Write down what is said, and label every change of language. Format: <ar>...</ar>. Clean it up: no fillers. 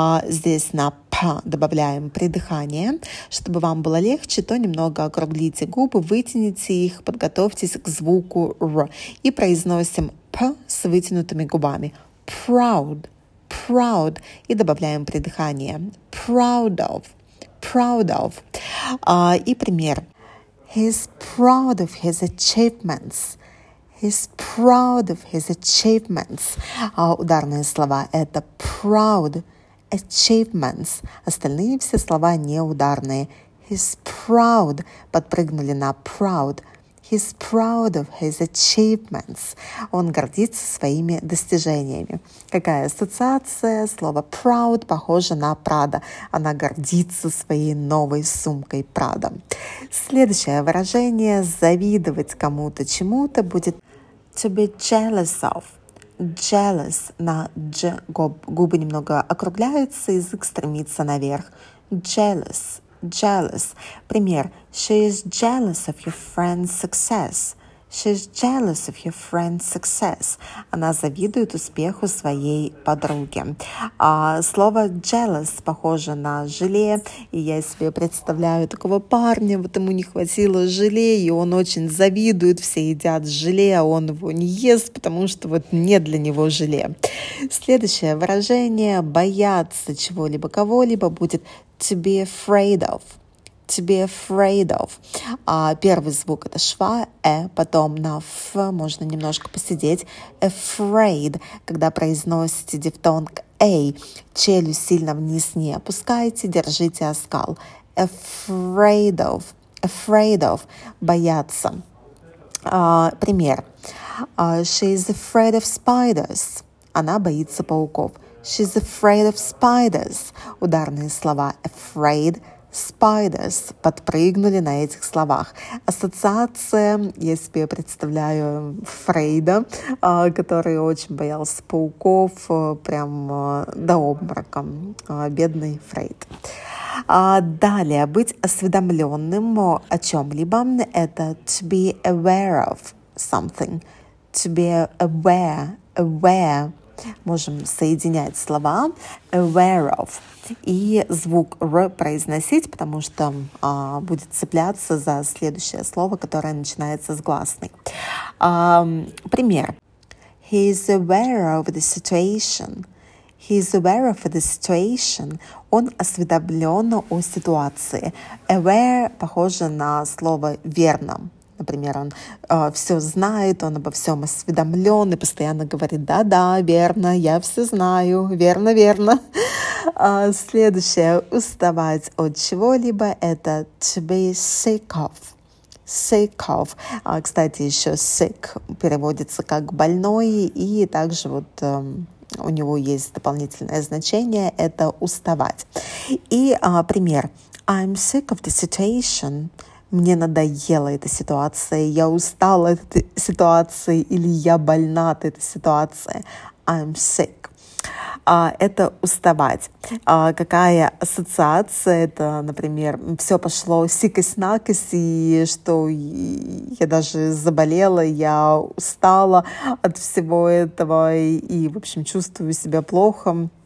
<ru>Здесь на «п» добавляем придыхание. Чтобы вам было легче, то немного округлите губы, вытяните их, подготовьтесь к звуку «р». И произносим «п» с вытянутыми губами.</ru> <en>Proud. Proud.</en> <ru>И добавляем придыхание.</ru> <en>Proud of. Proud of.</en> <ru>И пример.</ru> <en>He's proud of his achievements. He's proud of his achievements.</en> <ru>А ударные слова — это proud, achievements. Остальные все слова неударные.</ru> <en>He's proud.</en> <ru>Подпрыгнули на proud.</ru> <en>He's proud of his achievements.</en> <ru>Он гордится своими достижениями. Какая ассоциация? Слово proud похоже на Prada. Она гордится своей новой сумкой Prada. Следующее выражение «завидовать кому-то чему-то» будет</ru> <en>to be jealous of.</en> <ru>Jealous на «дж». Губы немного округляются, язык стремится наверх.</ru> <en>Jealous. Jealous.</en> <ru>Пример.</ru> <en>She is jealous of your friend's success. She's jealous of your friend's success.</en> <ru>Она завидует успеху своей подруги. Слово jealous похоже на желе. И я себе представляю такого парня, вот ему не хватило желе, и он очень завидует, все едят желе, а он его не ест, потому что вот нет для него желе. Следующее выражение бояться чего-либо, кого-либо будет</ru> <en>to be afraid of. To be afraid of.</en> <ru>Первый звук — это шва, э, потом на ф можно немножко посидеть. Afraid, когда произносите дифтонг эй, челюсть сильно вниз не опускайте, держите оскал.</ru> <en>Afraid of. Afraid of.</en> <ru>Бояться. Пример.</ru> <en>She is afraid of spiders.</en> <ru>Она боится пауков.</ru> <en>She's afraid of spiders.</en> <ru>Ударные слова afraid, spiders подпрыгнули на этих словах. Ассоциация, я себе представляю Фрейда, который очень боялся пауков, прям до обморока. Бедный Фрейд. Далее, быть осведомленным о чем-либо, это</ru> <en>to be aware of something. To be aware, aware.</en> <ru>Можем соединять слова aware of и звук r произносить, потому что будет цепляться за следующее слово, которое начинается с гласной. Пример.</ru> <en>He is aware of the situation. He is aware of the situation.</en> <ru>Он осведомлен о ситуации. Aware похоже на слово верно. Например, он все знает, он обо всем осведомлен и постоянно говорит: да-да, верно, я все знаю, верно-верно. Следующее, уставать от чего-либо, это</ru> <en>to be sick of. Sick of.</en> <ru>Кстати, еще sick переводится как больной, и также вот у него есть дополнительное значение, это уставать. И пример.</ru> <en>I'm sick of the situation.</en> <ru>Мне надоела эта ситуация, я устала от этой ситуации, или я больна от этой ситуации.</ru> <en>I'm sick.</en> <ru>Это уставать. Какая ассоциация? Это, например, все пошло сикось-накось, и что я даже заболела, я устала от всего этого, и в общем, чувствую себя плохо.</ru>